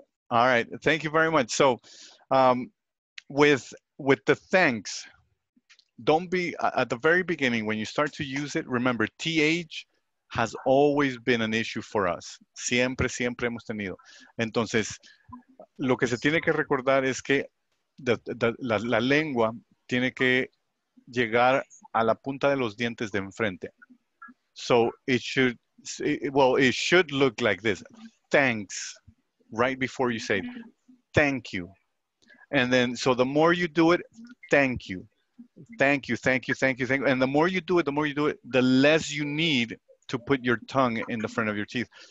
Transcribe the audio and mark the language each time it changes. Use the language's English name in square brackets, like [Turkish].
[English] All right, thank you very much. So with the thanks, don't be, at the very beginning, when you start to use it, remember, TH has always been an issue for us. [Spanish] Siempre hemos tenido. Entonces, lo que se tiene que recordar es que la lengua tiene que llegar a la punta de los dientes de enfrente. [English] So it should, well, it should look like this. Thanks, right before you say thank you. And then, so the more you do it, thank you. Thank you, thank you, thank you, thank you. And the more you do it, the more you do it, the less you need to put your tongue in the front of your teeth.